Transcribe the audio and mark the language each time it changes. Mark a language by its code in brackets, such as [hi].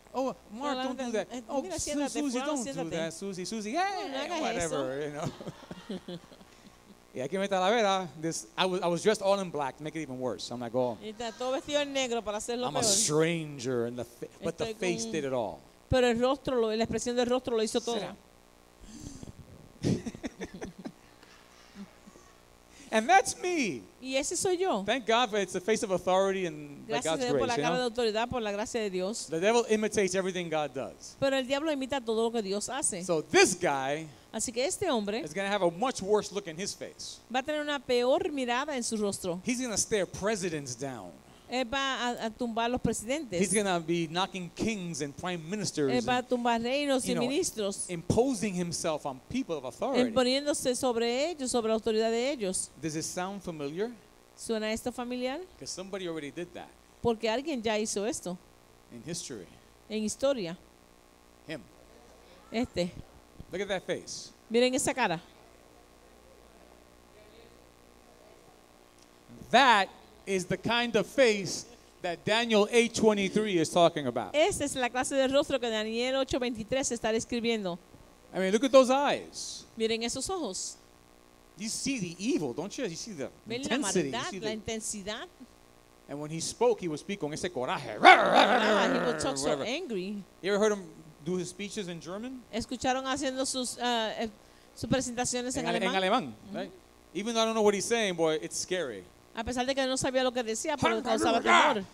[en] Oh, Mark, well, don't do that. Oh, Susie, don't do that. Susie, hey, whatever, you know. [es] Y aquí me talavera. [en] I was dressed all in black to make it even worse. I'm like, oh. [es] Todo vestido en negro para hacerlo peor. [en] I'm a stranger, and but the face did it all. [es] Pero el rostro, la expresión del rostro lo hizo todo. [en] And that's me. [es] Y ese soy yo. [en] Thank God for it's the face of authority and [es] gracias [en] God's [es] Dios Gracias por la cara, [en] know? [es] De autoridad, por la gracia de Dios. [en] The devil imitates everything God does. [es] Pero el diablo imita todo lo que Dios hace. [en] So this guy. [es] Así que este hombre [en] is going to have a much worse look in his face. [es] Va a tener una peor mirada en su rostro. [en] He's going to stare presidents down. [es] Él va a tumbar los presidentes. [en] He's going to be knocking kings and prime ministers. [es] Él va a tumbar reinos y ministros. [en] Imposing himself on people of authority. [es] Imponiéndose sobre ellos, sobre la autoridad de ellos. [en] Does it sound familiar? [es] ¿Suena esto familiar? [en] Because somebody already did that. [es] Porque alguien ya hizo esto. [en] In history. [es] En historia. [en] Him. [es] Este. [en] Look at that face. [es] Miren esa cara. [en] That is the kind of face that Daniel 8:23 is talking about. [es] Esa es la clase de rostro que Daniel 8:23 está describiendo. [en] I mean, look at those eyes. [es] Miren esos ojos. [en] You see the evil, don't you? You see the intensity. [es] La maldad, la intensidad. [en] And when he spoke, he would speak [es] con ese coraje. [en] He would talk so angry. You ever heard him do his speeches in German? [es] Escucharon haciendo sus presentaciones en alemán. En alemán, right? [en] Even though I don't know what he's saying, boy, it's scary. [es] A pesar de que no sabía lo que decía, pero causaba temor.